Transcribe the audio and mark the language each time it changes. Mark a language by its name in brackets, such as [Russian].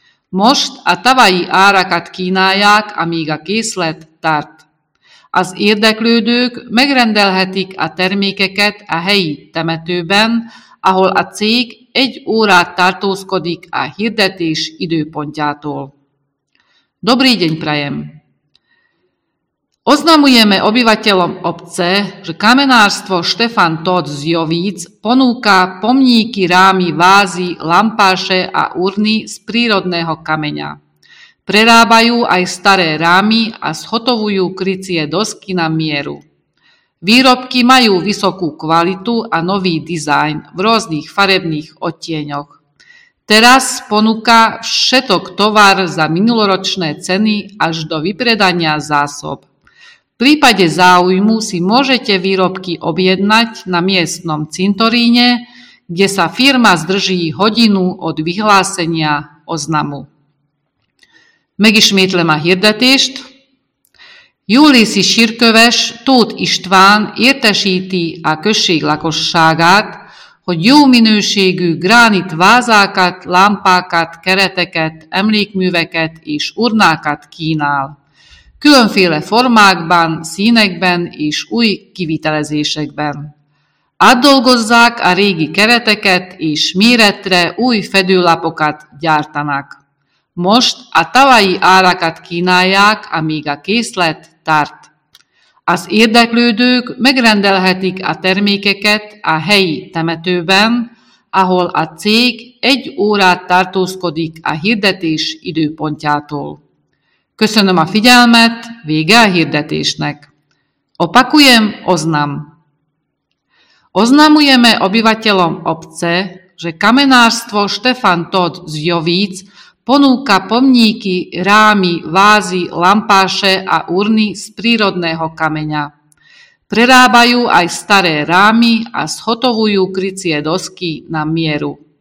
[Hungarian] Most a tavalyi árakat kínálják, amíg a készlet tart. Az érdeklődők megrendelhetik a termékeket a helyi temetőben, ahol a cég egy órát tartózkodik a hirdetés időpontjától. [Slovak] Dobrý deň prajem! Oznamujeme obyvateľom obce, že kamenárstvo Štefan Tóth z Jovíc ponúka pomníky, rámy, vázy, lampáše a urny z prírodného kameňa. Prerábajú aj staré rámy a zhotovujú krycie dosky na mieru. Výrobky majú vysokú kvalitu a nový dizajn v rôznych farebných odtieňoch. Teraz ponúka všetok tovar za minuloročné ceny až do vypredania zásob. V prípade záujmu si môžete výrobky objednať na miestnom cintoríne, kde sa firma zdrží hodinu od vyhlásenia oznamu. [Hungarian] Megismétlem a hirdetést. Jóészi sírköves Tóth István értesíti a község lakosságát, hogy jó minőségű gránit vázákat, lámpákat, kereteket, emlékműveket és urnákat kínál. Különféle formákban, színekben és új kivitelezésekben. Átdolgozzák a régi kereteket és méretre új fedőlapokat gyártanak. Most a tavalyi árakat kínálják, amíg a készlet tart. Az érdeklődők megrendelhetik a termékeket a helyi temetőben, ahol a cég egy órát tartózkodik a hirdetés időpontjától. Köszönöm a figyelmet, vége a hirdetésnek. [Slovak] Opakujem oznam. Oznamujeme obyvateľom obce, že kamenárstvo Štefan Tóth z Jovíc ponúka pomníky, rámy, vázy, lampáše a urny z prírodného kameňa. Prerábajú aj staré rámy a zhotovujú krycie dosky na mieru.